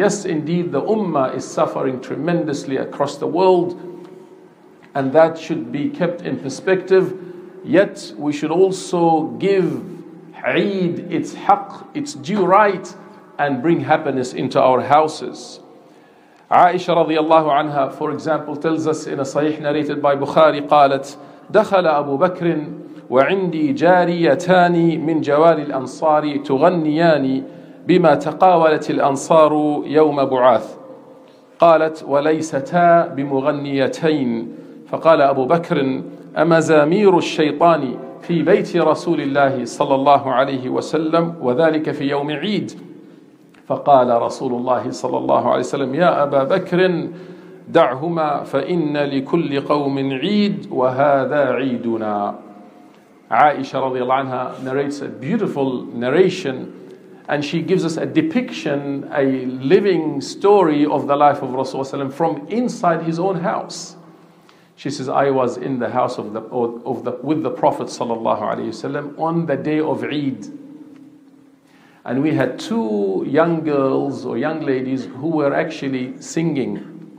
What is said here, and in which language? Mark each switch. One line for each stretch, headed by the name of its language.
English: Yes, indeed, the Ummah is suffering tremendously across the world, and that should be kept in perspective. Yet, we should also give Eid its haqq, its due right, and bring happiness into our houses. Aisha radiallahu anha, for example, tells us in a sahih narrated by Bukhari,
Arabic: قالت دخل أبو بكر وعندي جاريتان من جوار الأنصار تغنيان بما تقاولت الأنصار يوم بعاث قالت وليستا بمغنيتين فقال أبو بكر أمزامير الشيطان في بيت رسول الله صلى الله عليه وسلم وذلك في يوم عيد فقال رسول الله صلى الله عليه وسلم يا أبا بكر دعهما فإن لكل قوم عيد وهذا عيدنا.
English: Aisha رضي الله عنها narrates a beautiful narration, and she gives us a depiction, a living story of the life of Rasulullah ﷺ from inside his own house. She says, I was in the house with the Prophet صلى الله عليه وسلم on the day of Eid, and we had two young girls or young ladies who were actually singing.